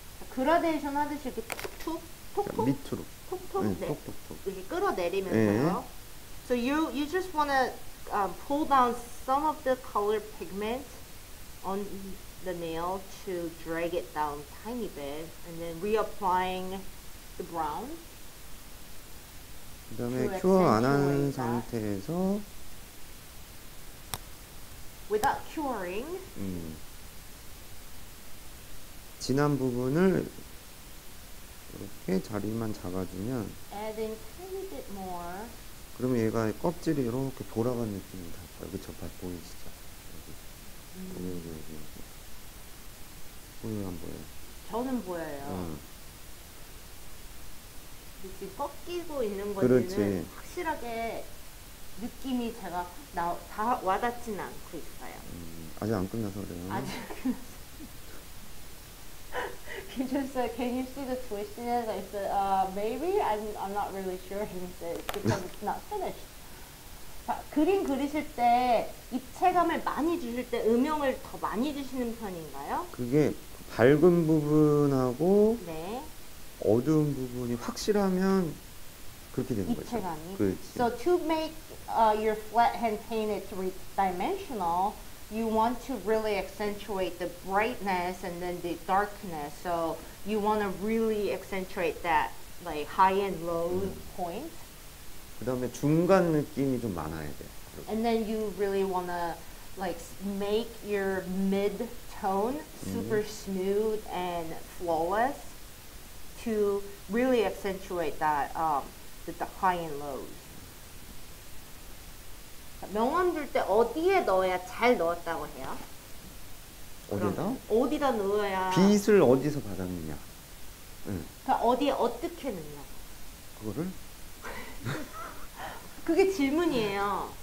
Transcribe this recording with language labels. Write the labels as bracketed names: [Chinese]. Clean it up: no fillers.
[Korean] 그라데이션 하듯이 툭툭 밑으로 톡톡 네, 네. 톡톡톡 이렇게 끌어내리면서요. 네. [English] So you just want to pull down some of the color pigment on the nail to drag it down tiny bit and then reapplying the brown. [Korean] 그다음에 큐어 안 한 상태에서 [English] without curing. [Korean] 진한 부분을 이렇게 자리만 잡아주면 [English] adding tiny bit more. [Korean] 그러면 얘가 껍질이 이렇게 돌아간 느낌이 날 거예요. 그쵸? 발 보이시죠? 여기. 보여요? 안 보여요? 저는 보여요. 이렇게 꺾이고 있는 거는 확실하게 느낌이 제가 다 와닿지는 않고 있어요. 아직 안 끝나서 그래요? [English] He just said, can you see the twistiness? I said, maybe? I'm not really sure. He said, because it's not finished. [Korean] 자, 그림 그리실 때 입체감을 많이 주실 때 음영을 더 많이 주시는 편인가요? 그게 밝은 부분하고 네. 어두운 부분이 확실하면 그렇게 되는 입체감이. 거죠. 입체감이. [English] So to make your flat hand painted three-dimensional, you want to really accentuate the brightness and then the darkness. So you want to really accentuate that like high and low point. [Korean] 그 다음에 중간 느낌이 좀 많아야 돼. 그리고. [English] And then you really wanna like make your mid tone super smooth and flawless to really accentuate that the high and lows. [Korean] 명언 들 때 어디에 넣어야 잘 넣었다고 해요? 어디다? 어디다 넣어야 빛을 어디서 받았느냐? 응. 그 어디에 어떻게 넣냐? 그거를? 그게 질문이에요.